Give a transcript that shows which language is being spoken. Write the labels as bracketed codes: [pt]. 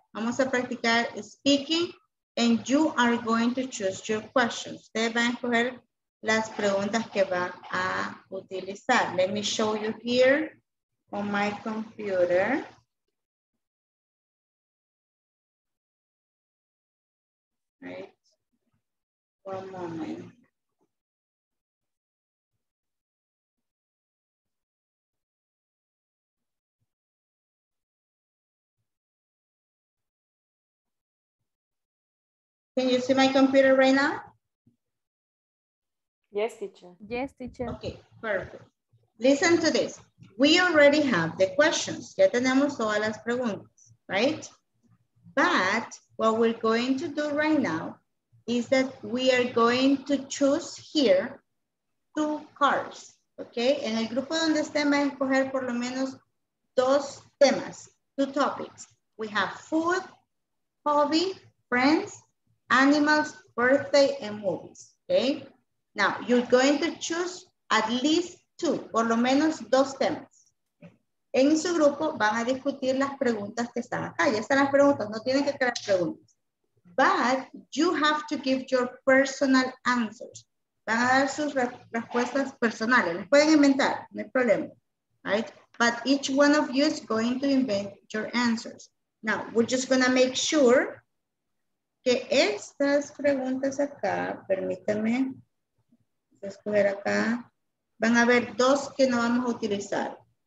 [es] Vamos a practicar [en] speaking and you are going to choose your questions. [es] Ustedes van a escoger las preguntas que va a utilizar. [en] Let me show you here on my computer. Right. One moment. Can you see my computer right now? Yes, teacher. Yes, teacher. Okay, perfect. Listen to this. We already have the questions. [es] Ya tenemos todas las preguntas, right? [en] But what we're going to do right now is that we are going to choose here 2 cards, okay? [es] En el grupo donde estén va a escoger por lo menos 2 temas, 2 topics. [en] We have food, hobby, friends, animals, birthday, and movies, okay? Now, you're going to choose at least 2, [es] por lo menos 2 temas. En su grupo van a discutir las preguntas que están acá. Ya están las preguntas, no tienen que crear preguntas. [en] But you have to give your personal answers. [es] Van a dar sus respuestas personales. Les pueden inventar, no hay problema. Right? [en] But each one of you is going to invent your answers. Now, we're just going to make sure [es] que estas preguntas acá, permítanme, voy a escoger acá, van a haber 2 que no vamos a utilizar.